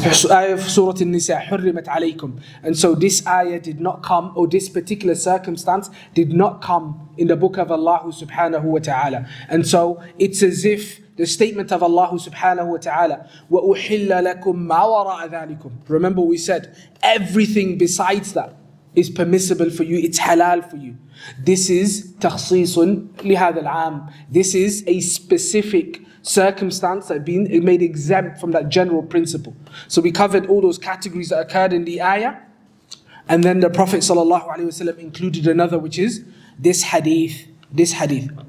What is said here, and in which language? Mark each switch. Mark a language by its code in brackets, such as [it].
[en] Ayah of Surah An-Nisa, Hurrimat Alaykum. And so this ayah did not come, or this particular circumstance did not come in the book of Allah subhanahu wa ta'ala. And so it's as if the statement of Allah subhanahu wa ta'ala, [ar] وَأُحِلَّ لَكُمْ مَا وَرَأَ ذَلِكُمْ. [en] Remember, we said everything besides that is permissible for you, it's halal for you. This is [ar] تَخْصِيصٌ لِهَذَا الْعَامِ. [en] This is a specific circumstance that been made exempt from that general principle. So we covered all those categories that occurred in the ayah, and then the Prophet sallallahu alaihi wasallam included another, which is this hadith. This hadith.